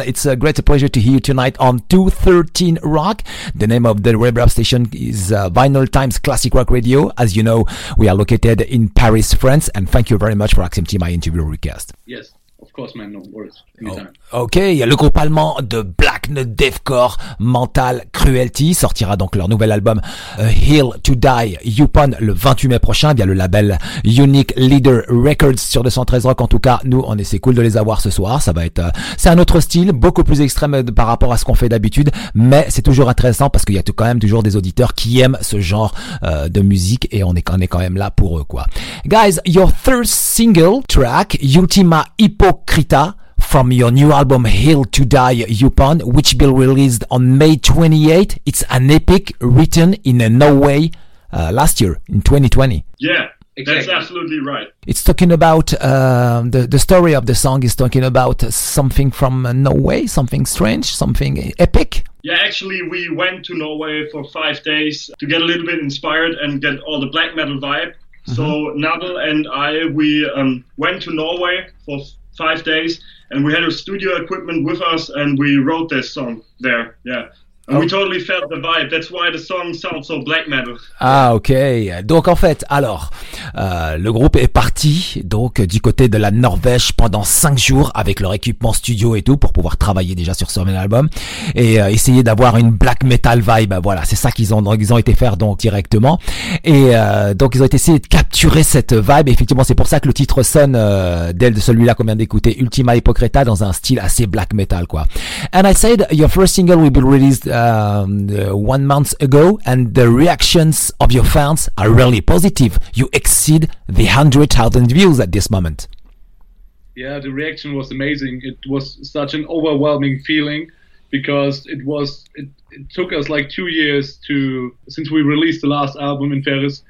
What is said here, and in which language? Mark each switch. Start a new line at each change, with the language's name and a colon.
English: It's a great pleasure to hear you tonight on 213 Rock. The name of the web radio station is Vinyl Times Classic Rock Radio. As you know, we are located in Paris, France. And thank you very much for accepting my interview request. Yes. Of course, man, no worries.
French: Ok, il y a le groupe allemand de Black Note Deathcore, Mental Cruelty, sortira donc leur nouvel album A Hill to Die Upon le 28 mai prochain via le label Unique Leader Records sur 213 Rock. En tout cas, nous, on est, c'est cool de les avoir ce soir. Ça va être, c'est un autre style, beaucoup plus extrême par rapport à ce qu'on fait d'habitude, mais c'est toujours intéressant parce qu'il y a quand même toujours des auditeurs qui aiment ce genre de musique et on est quand même là pour eux, quoi.
English: Guys, your third single track, Ultima Hypocrita, from your new album Hill to Die Upon, which will be released on May 28th. It's an epic written in a no way last year, in 2020. Yeah, exactly. That's absolutely right. It's talking about, the story of the song is talking about something from Norway, something strange, something epic. Yeah, actually, we went to Norway for 5 days to get a little bit inspired and get all the black metal vibe. Mm-hmm. So Nadal and I, we went to Norway for 5 days, and we had our studio equipment with us, and we wrote this song there, yeah. And we totally felt the vibe, that's why the song sounds so black metal. Ah, ok.
French: Donc en fait, alors, le groupe est parti donc du côté de la Norvège pendant 5 jours avec leur équipement studio et tout pour pouvoir travailler déjà sur ce même album et essayer d'avoir une
English: black metal vibe.
French: Voilà, c'est ça qu'ils ont été faire donc directement. Et donc ils ont essayé de capturer cette vibe. Et effectivement, c'est pour ça que le titre sonne dès celui-là qu'on vient d'écouter, Ultima Hypocrita, dans un style assez black metal, quoi.
English: And I said your first single will be released 1 month ago, and the reactions of your fans are really positive. You exceed the 100,000 views at this moment. Yeah, the reaction was amazing. It was such an overwhelming feeling because it took us like 2 years since we released the last album in Ferris.